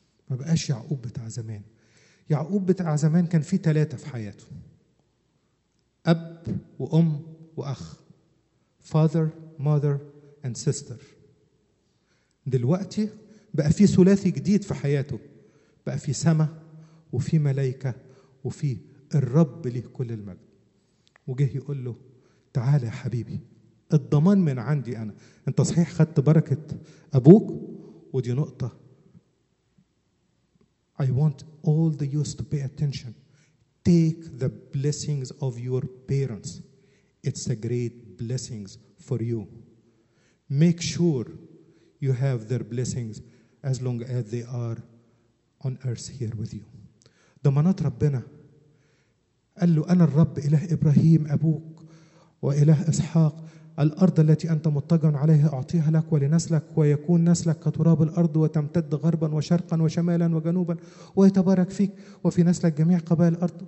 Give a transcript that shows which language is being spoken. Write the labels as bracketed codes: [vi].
[ar] ما بقاش يعقوب بتاع زمان. يعقوب بتاع زمان كان فيه ثلاثة في حياته، أب وأم وأخ، [en] father, mother and sister. [ar] دلوقتي بقى فيه ثلاثي جديد في حياته، بقى فيه سماء وفيه ملائكة وفيه الرب ليه كل المجد. وجه يقول له تعال يا حبيبي، الضمان من عندي أنا. أنت صحيح خدت بركة أبوك، ودي نقطة [en] I want all the youths to pay attention. Take the blessings of your parents. It's a great blessing for you. Make sure you have their blessings as long as they are on earth here with you. [ar] ضمانات ربنا. قال له أنا الرب إله إبراهيم أبوك وإله إسحاق، الأرض التي أنت مضطجع عليها أعطيها لك ولنسلك، ويكون نسلك كتراب الأرض وتمتد غربا وشرقا وشمالا وجنوبا ويتبارك فيك وفي نسلك جميع قبائل الأرض.